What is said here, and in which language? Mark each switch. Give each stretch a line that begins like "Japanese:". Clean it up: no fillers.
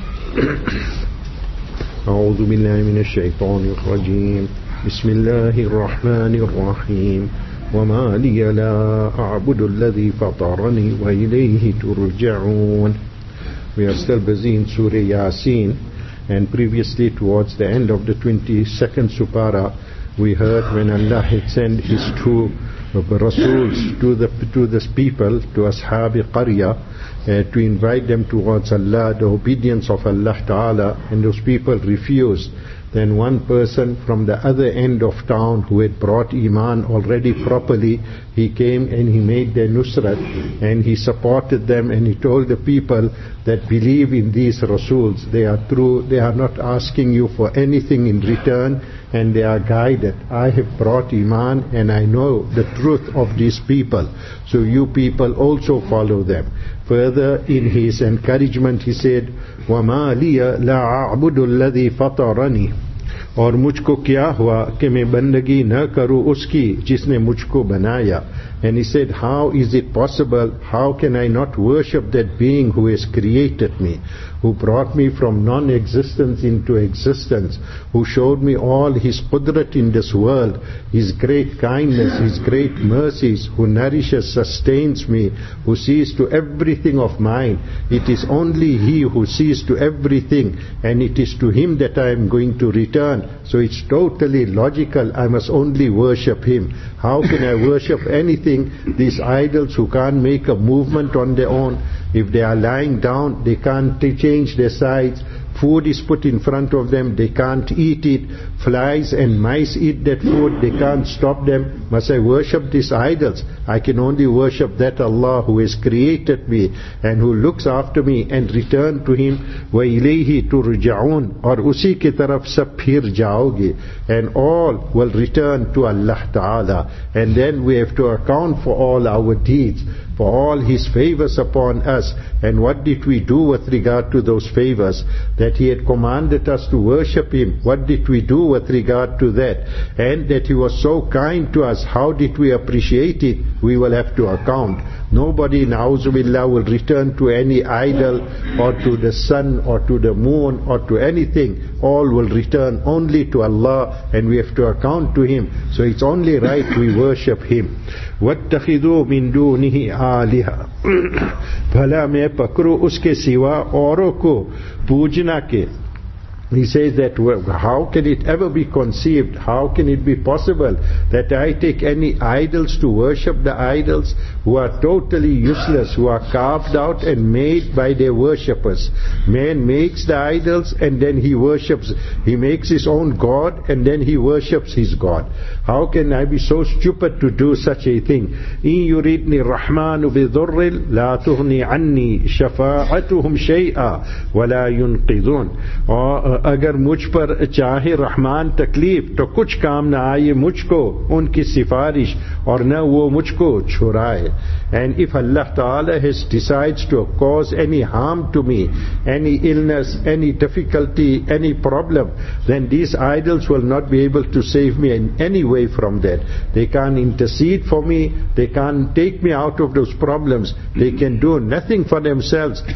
Arabic: أعوذ بالله من الشيطان الرجيم. بسم الله الرحمن الرحيم. وما لي لا أعبد الذي فطرني وإليه ترجعون.
English: We are still busy in Surah Yasin, and previously towards the end of the 22nd Supara, we heard when Allah had sent His two Rasuls to this people, to Ashabi Qarya, to invite them towards Allah, the obedience of Allah Ta'ala, and those people refused. Then one person from the other end of town who had brought Iman already properly, he came and he made their Nusrat, and he supported them, and he told the people that believe in these Rasuls, they are true, they are not asking you for anything in return, and they are guided. I have brought Iman and I know the truth of these people, so you people also follow them. Further in his encouragement he said,
Arabic: وَمَا لِيَ لَا أَعْبُدُ الَّذِي فَطَرَنِي.
Urdu: اور مجھ کو کیا ہوا کہ میں بندگی نہ کروں اس کی جس نے مجھ کو بنایا.
English: And he said, how is it possible, how can I not worship that being who has created me, who brought me from non-existence into existence, who showed me all his qudrat in this world, his great kindness, his great mercies, who nourishes, sustains me, who sees to everything of mine. It is only he who sees to everything, and it is to him that I am going to return. So it's totally logical, I must only worship him. How can I worship anything? These idols who can't make a movement on their own, if they are lying down, they can't change their sides. Food is put in front of them, they can't eat it. Flies and mice eat that food, they can't stop them. Must I worship these idols? I can only worship that Allah who has created me and who looks after me, and return to Him.
Arabic: وَإِلَيْهِ تُرْجَعُونَ
Urdu: اور اسی کے طرف سب پھر جاؤ گے.
English: And all will return to Allah Ta'ala. And then we have to account for all our deeds, for all his favors upon us. And what did we do with regard to those favors? That he had commanded us to worship him, what did we do with regard to that? And that he was so kind to us, how did we appreciate it? We will have to account. Nobody, na'uzu billah, will return to any idol or to the sun or to the moon or to anything. All will return only to Allah, and we have to account to him. So it's only right we worship him.
Arabic: وَاتَّخِذُوا مِن دُونِهِ آلِهَا
Urdu: بھلا میں پکرو اس کے سوا اوروں کو پوجنا کے.
English: He says that, well, how can it ever be conceived? How can it be possible that I take any idols to worship the idols who are totally useless, who are carved out and made by their worshippers? Man makes the idols and then he makes his own God and then he worships his God. How can I be so stupid to do such a thing?
Arabic: إِن يُرِدْنِ الرَّحْمَانُ بِذُرِّلْ لَا تُغْنِ عَنِّي شَفَاعَتُهُمْ شَيْئًا وَلَا يُنْقِذُونَ.
Urdu: اگر مجھ پر چاہے رحمان تکلیف تو کچھ کام نہ آئے مجھ کو ان کی سفارش اور نہ وہ مجھ کو چھوڑائے.
English: And if Allah Ta'ala has decides to cause any harm to me, any illness, any difficulty, any problem, then these idols will not be able to save me in any way from that. They can't intercede for me, they can't take me out of those problems, they can do nothing for themselves.